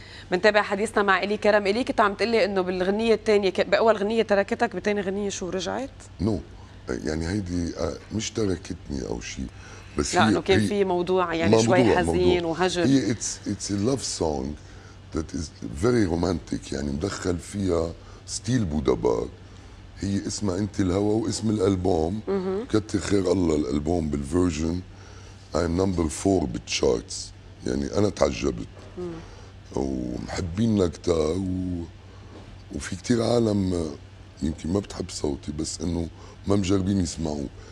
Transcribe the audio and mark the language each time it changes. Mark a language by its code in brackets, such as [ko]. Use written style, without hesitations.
[ar] بنتابع حديثنا مع إلي كرم. إلي كنت عم تقلي إنه بالغنية الثانية، بأول غنية تركتك، بتاني غنية شو رجعت؟ نو يعني هيدي مش تركتني أو شيء، بس لأنه يعني كان في موضوع يعني موضوع شوي حزين وهجر. هي [en] it's a love song that is very romantic، [ar] يعني مدخل فيها ستيل بودابار. هي اسمها أنت الهوى واسم الألبوم كتر خير الله الألبوم بالفيرجن [en] I'm number four [ar] بالشارتس، يعني أنا تعجبت ومحبين كتار، وفي كتير عالم يمكن ما بتحب صوتي بس إنه ما مجربين يسمعوا.